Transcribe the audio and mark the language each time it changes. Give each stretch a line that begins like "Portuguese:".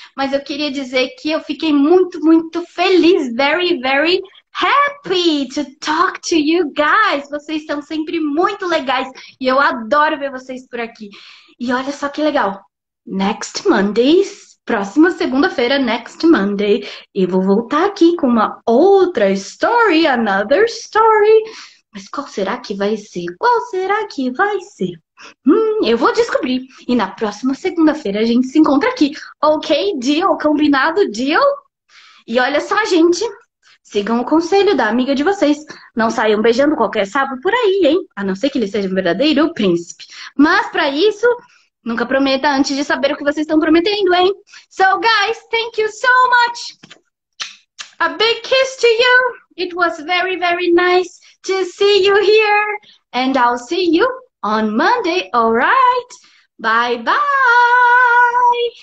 Portuguese: Mas eu queria dizer que eu fiquei muito, muito feliz.
English: Very, very happy to talk to you guys.
Portuguese: Vocês são sempre muito legais. E eu adoro ver vocês por aqui. E olha só que legal.
English: Next Mondays.
Portuguese: Próxima segunda-feira,
English: next Monday,
Portuguese: eu vou voltar aqui com uma outra story,
English: another story.
Portuguese: Mas qual será que vai ser? Qual será que vai ser? Eu vou descobrir. E na próxima segunda-feira a gente se encontra aqui. Ok,
English: deal?
Portuguese: Combinado,
English: deal?
Portuguese: E olha só, gente, sigam o conselho da amiga de vocês. Não saiam beijando qualquer sapo por aí, hein? A não ser que ele seja um verdadeiro príncipe. Mas pra isso... Nunca prometa antes de saber o que vocês estão prometendo, hein?
English: So, guys, thank you so much. A big kiss to you. It was very, very nice to see you here. And I'll see you on Monday, all right? Bye-bye.